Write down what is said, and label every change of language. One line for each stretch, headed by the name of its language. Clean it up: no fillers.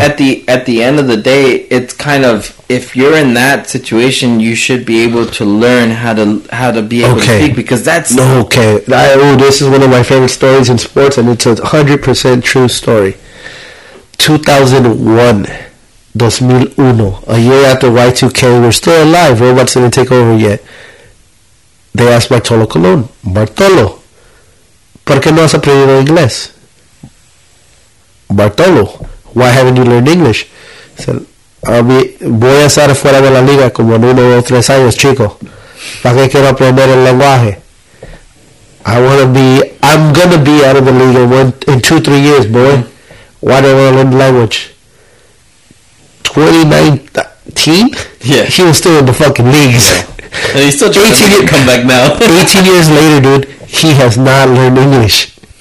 English: At the end of the day, it's kind of, if you're in that situation, you should be able to learn how to be able to speak, because that's... No, okay. This is one of my favorite stories in sports, and it's a 100% true story. 2001. 2001, a year after Y2K, we're still alive. Robots didn't take over yet. They asked
Spanish: Bartolo Colon, "Bartolo, ¿por qué no has aprendido inglés?"
English: "Bartolo, why haven't you learned English?" He said,
Spanish: "Voy a estar fuera de la liga como en 1 o 3 años, chico. ¿Para qué quiero aprender el lenguaje?
English: I'm going to be out of the league in 2-3 years, boy. Why do I want to learn the language?" 2019? Yeah. He was still in the fucking leagues. And he's still trying to come back now. 18 years later, dude, he has not learned English.